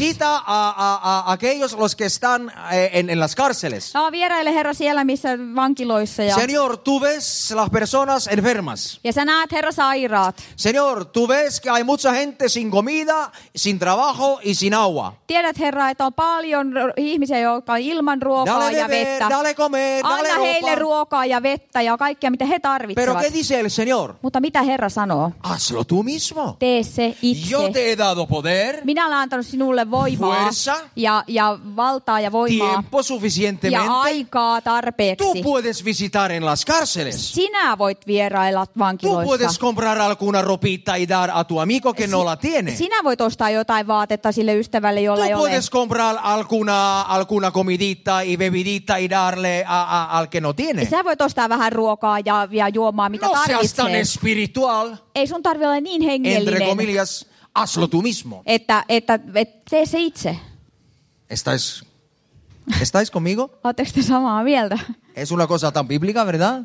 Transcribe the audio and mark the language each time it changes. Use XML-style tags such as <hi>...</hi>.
<es>Visita a aquellos los que están en las cárceles.</es> <fi>No, vieraile, Herra, siellä missä vankiloissa. Ja...</fi> <es>Señor, tú ves las personas enfermas.</es> <fi>Ja sä näet, Herra, sairaat.</fi> <es>Señor, tú ves que hay mucha gente sin comida, sin trabajo y sin agua.</es> <fi>Tiedät, Herra, että on paljon ihmisiä, jotka on ilman ruokaa</fi> <es>dale</es> <fi>ja vettä.</fi> <es>Dale comer, dale</es> <fi>anna heille ruokaa. Ruokaa ja vettä ja kaikkea, mitä he tarvitsevat.</fi> <es>Pero qué dice el Señor?</es> <fi>Mutta mitä Herra sanoo?</fi> <es>Hazlo tú mismo.</es> <fi>Tee se itse.</fi> <es>Yo te he dado poder.</es> <fi>Minä olen antanut sinulle voimaa.</fi> <es>Fuerza.</es> <fi>Ja valtaa ja voimaa.</fi> <es>Tiempo suficientemente.</es> <fi>Ja aikaa tarpeeksi.</fi> <es>Tú puedes visitar en las cárceles.</es> <fi>Sinä voit vierailla vankiloissa.</fi> <es>Tú puedes comprar alguna ropita y dar a tu amigo que no la tiene.</es> <fi>Sinä voit ostaa jotain vaatetta sille ystävälle, jolla ei ole.</fi> <es>Tú puedes comprar alguna comidita y bebidita y darle a al que no tiene.</es> <fi>Sä voit ostaa vähän ruokaa ja juomaa, mitä no tarvitset. Ei sun tarvitse olla niin hengellinen.</fi> <es>Entre comillas, hazlo tú mismo.</es> <fi>Että tee se itse.</fi> <es>Estás... ¿Estáis conmigo?</es> <fi>¿Oletteko te samaa mieltä?</fi> <es>Es una cosa tan bíblica, ¿verdad?</es>